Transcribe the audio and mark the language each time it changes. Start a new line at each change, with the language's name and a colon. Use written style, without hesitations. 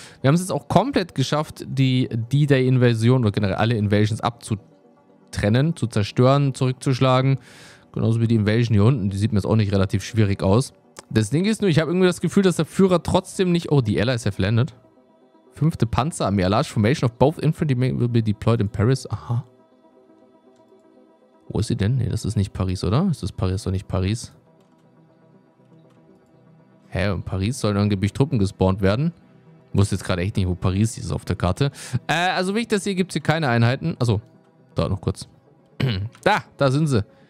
German: Wir haben es jetzt auch komplett geschafft, die D-Day-Invasion oder generell alle Invasions abzutrennen, zu zerstören, zurückzuschlagen, genauso wie die Invasion hier unten, die sieht mir jetzt auch nicht relativ schwierig aus. Das Ding ist nur, ich habe irgendwie das Gefühl, dass der Führer trotzdem nicht, oh, die
English: Allies have landed. 5. Panzerarmee, a large formation of both infantry will be deployed in Paris, aha.
German: Wo ist sie denn? Ne, das ist nicht Paris, oder? Ist das Paris oder nicht Paris? Hä, in Paris sollen angeblich Truppen gespawnt werden. Ich wusste jetzt gerade echt nicht, wo Paris ist auf der Karte. Also wie ich das sehe, gibt es hier keine Einheiten. Achso, da noch kurz. Da sind sie.